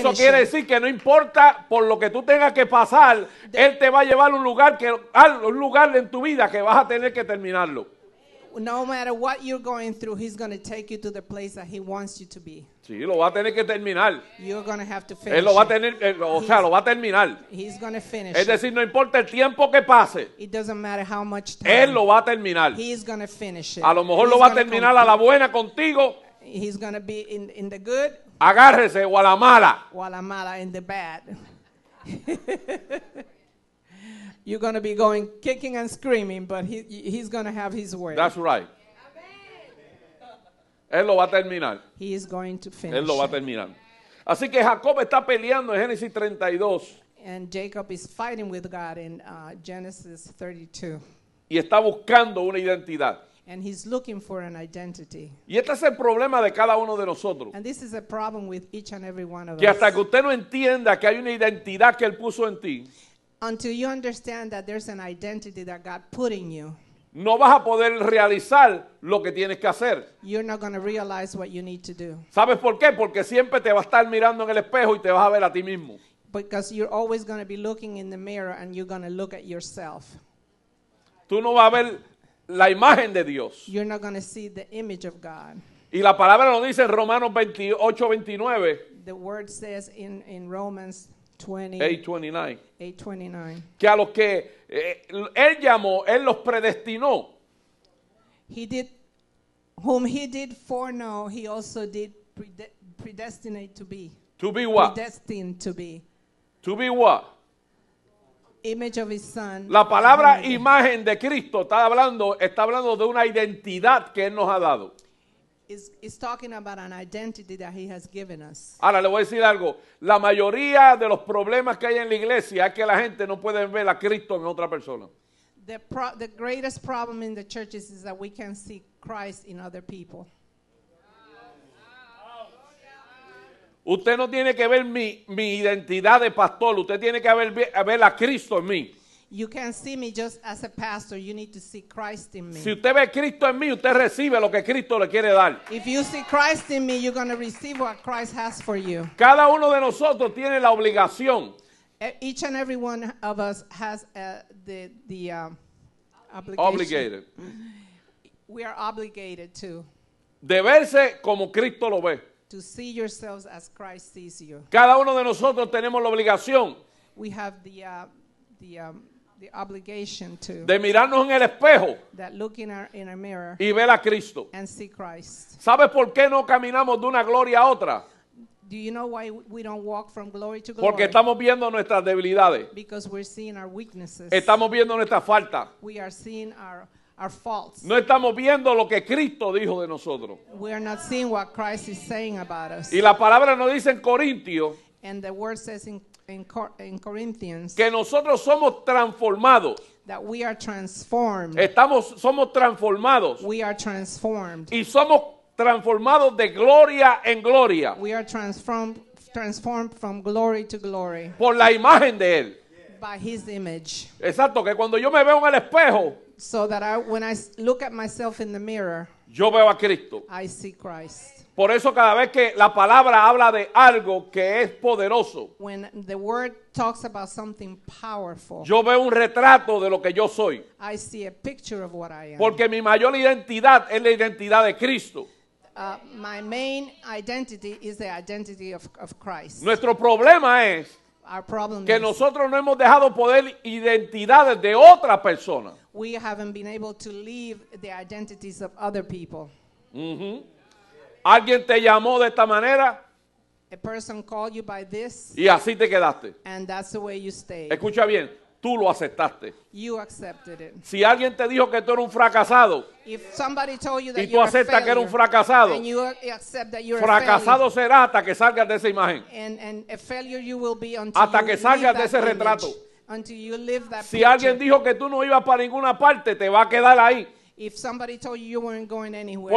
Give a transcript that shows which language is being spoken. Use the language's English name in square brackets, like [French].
[Spanish] Eso quiere decir que no importa por lo que tú tengas que pasar, él te va a llevar a un lugar en tu vida que vas a tener que terminarlo. [English] No matter what you're going through, he's going to take you to the place that he wants you to be. [Spanish] Sí, lo va a tener que terminar. [English] You're going to have to finish. [Spanish] Él lo va a tener, lo va a terminar. [English] He's going to finish. [Spanish] Es decir, no importa el tiempo que pase. [English] It doesn't matter how much time. [Spanish] Él lo va a terminar. [English] He's going to finish it. [Spanish] A lo mejor lo va a terminar a la buena contigo. [English] He's going to be in the good. [Spanish] Agárrese o a la mala. O a la mala [English] in the bad. You're going to be going kicking and screaming, but he's going to have his way. That's right. [Spanish] Él lo va a terminar. [English] He is going to finish. [Spanish] Él lo va a terminar. Así que Jacob está peleando en Génesis 32. [English] And Jacob is fighting with God in Genesis 32. [Spanish] Y está buscando una identidad. [English] And he's looking for an identity. [Spanish] Y este es el problema de cada uno de nosotros. [English] And this is a problem with each and every one of [Spanish] que [English] us. [Spanish] Que hasta que usted no entienda que hay una identidad que él puso en ti. [English] Until you understand that there's an identity that God put in you. [Spanish] No vas a poder realizar lo que tienes que hacer. [English] You're not going to realize what you need to do. [Spanish] ¿Sabes por qué? Porque siempre te va a estar mirando en el espejo y te vas a ver a ti mismo. [English] Because you're always going to be looking in the mirror and you're going to look at yourself. [Spanish] Tú no vas a ver la imagen de Dios. [English] You're not going to see the image of God. [Spanish] Y la palabra lo dice en Romanos 8:29. [English] The word says in Romans 8:29. [Spanish] Que a los que él llamó, él los predestinó. [English] He did, whom he did foreknow, he also did predestinate to be. To be what? Predestined to be. To be what? Image of his son. [Spanish] La palabra imagen de Cristo está hablando de una identidad que él nos ha dado. [English] is talking about an identity that he has given us. [Spanish] Ahora le voy a decir algo. La mayoría de los problemas que hay en la iglesia es que la gente no puede ver a Cristo en otra persona. [English] The greatest problem in the churches is that we can't see Christ in other people. [Spanish] Usted no tiene que ver mi identidad de pastor. Usted tiene que ver a Cristo en mí. [English] You can't see me just as a pastor. You need to see Christ in me. [Spanish] Si usted ve Cristo en mí, usted recibe lo que Cristo le quiere dar. [English] If you see Christ in me, you're going to receive what Christ has for you. [Spanish] Cada uno de nosotros tiene la obligación. [English] Each and every one of us has the obligation. Obligated. We are obligated to. [Spanish] De verse como Cristo lo ve. [English] To see yourselves as Christ sees you. [Spanish] Cada uno de nosotros tenemos la obligación. [English] We have the obligation to. [Spanish] De mirarnos en el espejo. [English] That look in our mirror. [Spanish] Y ver a Cristo. [English] And see Christ. [Spanish] ¿Sabes por qué no caminamos de una gloria a otra? [English] Do you know why we don't walk from glory to glory? [Spanish] Porque estamos viendo nuestras debilidades. [English] Because we're seeing our weaknesses. [Spanish] Estamos viendo nuestra falta. [English] We are seeing our faults. [Spanish] No estamos viendo lo que Cristo dijo de nosotros. [English] We are not seeing what Christ is saying about us. [Spanish] Y la palabra nos dice en Corintios. [English] And the word says in Corinthians. [Spanish] Que nosotros somos transformados. [English] That we are transformed. [Spanish] Somos transformados. [English] We are transformed. [Spanish] Y somos transformados de gloria en gloria. [English] We are transformed from glory to glory. [Spanish] Por la imagen de él. [English] By his image. [Spanish] Exacto, que cuando yo me veo en el espejo. [English] So that when I look at myself in the mirror. [Spanish] Yo veo a Cristo. [English] I see Christ. [Spanish] Por eso cada vez que la palabra habla de algo que es poderoso. [English] When the word talks about something powerful. [Spanish] Yo veo un retrato de lo que yo soy. [English] I see a picture of what I am. [Spanish] Porque mi mayor identidad es la identidad de Cristo. [English] My main identity is the identity of Christ. [Spanish] Nuestro problema es. [English] Our problem [Spanish] que nosotros no hemos dejado poder identidades de otra persona. [English] We haven't been able to leave the identities of other people. [Spanish] Mm-hmm. ¿Alguien te llamó de esta manera? [English] A person called you by this. [Spanish] Y así te quedaste. [English] And that's the way you stayed. [Spanish] Escucha bien, tú lo aceptaste. [English] You accepted it. [Spanish] Si alguien te dijo que tú eres un fracasado. [English] If somebody told you that [Spanish] y tú aceptas [English] failure, [Spanish] que eres un fracasado. [English] And you accept that you're [Spanish] fracasado [English] a failure, [Spanish] será hasta que salgas de esa imagen. [English] And a failure you will be until [Spanish] hasta [English] you [Spanish] que salgas [English] leave [Spanish] de ese [English] image, [Spanish] retrato. [English] Until you leave that [Spanish] si [English] picture. [Spanish] Alguien dijo que tú no ibas para ninguna parte, te va a quedar ahí. [English] If somebody told you you weren't going anywhere,